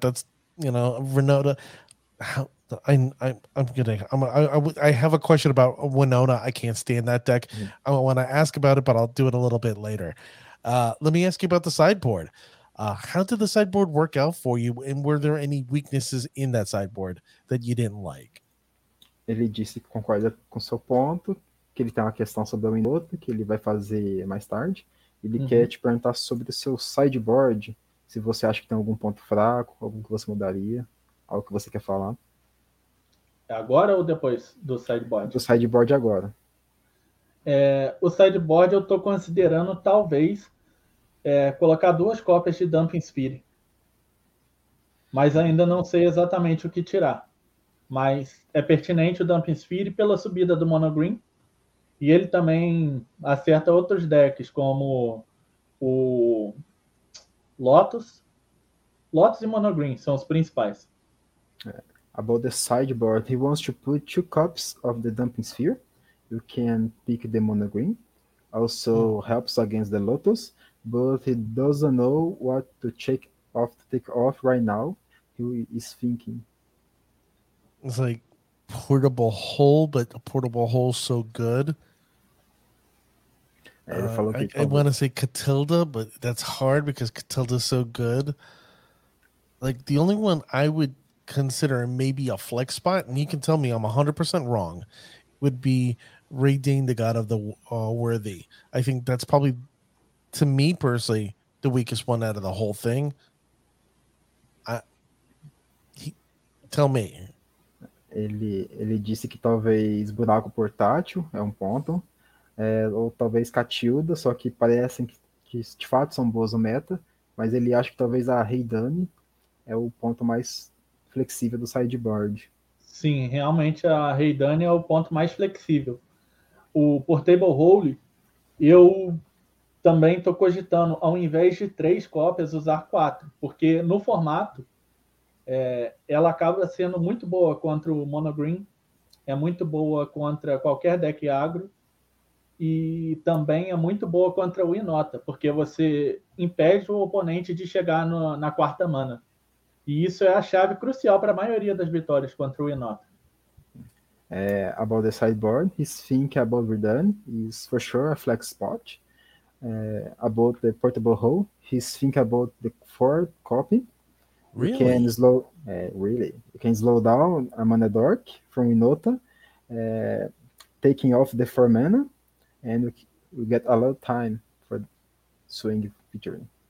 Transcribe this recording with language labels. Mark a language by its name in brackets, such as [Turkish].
[English] That's, you know, Winota. I have a question about Winona. I can't stand that deck. Mm-hmm. I want to ask about it, but I'll do it a little bit later. Let me ask you about the sideboard. How did the sideboard work out for you, and were there any weaknesses in that sideboard that you didn't like? [Portuguese] Ele disse que concorda com seu ponto, que ele tem uma questão sobre o Winota, que ele vai fazer mais tarde. Ele uhum. quer te perguntar sobre o seu sideboard, se você acha que tem algum ponto fraco, algo que você mudaria, algo que você quer falar. Agora ou depois do sideboard? Do sideboard agora. O sideboard eu estou considerando, talvez, colocar duas cópias de Dumping Sphere. Mas ainda não sei exatamente o que tirar. Mas é pertinente o Dumping Sphere pela subida do Mono Green. E ele também acerta outros decks, como o Lotus. Lotus e Mono Green são os principais. [English] About the sideboard, he wants to put two copies of the Dumping Sphere. You can pick the Mono Green. Also helps against the Lotus. But he doesn't know what to check off to take off right now. He is thinking. It's like portable hole, but a portable hole so good. I want to say Catilda, but that's hard because Catilda's so good. Like, the only one I would consider maybe a flex spot, and you can tell me I'm 100% wrong, would be Raydeen, the God of the Worthy. I think that's probably, to me personally, the weakest one out of the whole thing. Tell me. [Portuguese] Ele disse que talvez Buraco Portátil é um ponto. Ou talvez Catilda, só que parecem que de fato são boas no meta, mas ele acha que talvez a Raydane é o ponto mais flexível do sideboard. Sim, realmente a Raydane é o ponto mais flexível. O Portable Hole, eu também estou cogitando, ao invés de três cópias, usar quatro, porque no formato ela acaba sendo muito boa contra o Mono Green, é muito boa contra qualquer deck agro. E também é muito boa contra o Inota, porque você impede o oponente de chegar no, na quarta mana. E isso é a chave crucial para a maioria das vitórias contra o Inota. [English] About the sideboard, is think about redone, is for sure a flex spot. About the portable hole, is think about the four copy. You can Really? slow, really, you can slow down a mana dork from Inota, taking off the four mana, and we get a lot of time for swing featuring.